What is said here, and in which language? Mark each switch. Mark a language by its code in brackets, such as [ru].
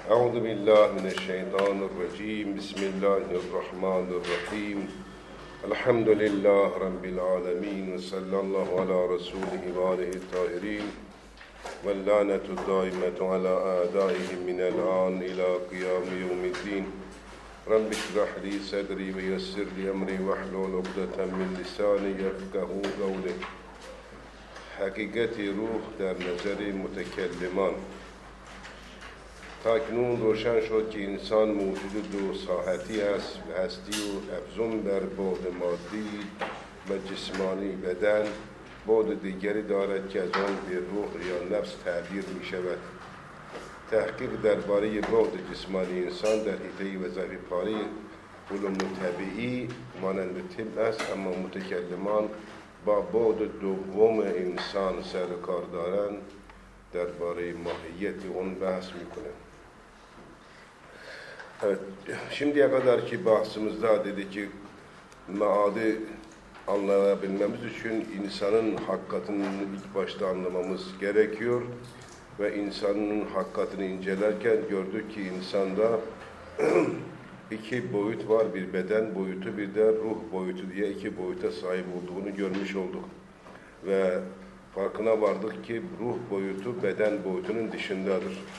[ar] أعوذ بالله من الشيطان الرجيم بسم الله الرحمن الرحيم الحمد لله رب العالمين وصلى الله على رسوله وآله الطاهرين واللعنة الدائمة على أعدائهم من الآن إلى قيام يوم الدين رب اشرح لي صدري ويسر لي أمري واحلل عقدة من لساني يفقهوا قولي [fa] حقيقتي روح در نظر متكلمان. تا اکنون روشن شد که انسان موجود دو ساحتی است، هستی و افزون بر بعد مادی و جسمانی بدن، بعد دیگری دارد که از آن به روح یا نفس تعبیر می شود. تحقیق درباره بعد جسمانی انسان در حیطه وظیفه پاره علوم طبیعی مانند طب است، اما متکلمان با بعد دوم انسان سر و کار دارند، درباره ماهیت اون بحث می کنند. [tr] Evet, şimdiye kadar ki bahsimizde dedi ki maadi anlayabilmemiz için insanın hakikatini ilk başta anlamamız gerekiyor ve insanın hakikatini incelerken gördük ki insanda iki boyut var, bir beden boyutu bir de ruh boyutu diye iki boyuta sahip olduğunu görmüş olduk ve farkına vardık ki ruh boyutu beden boyutunun dışındadır.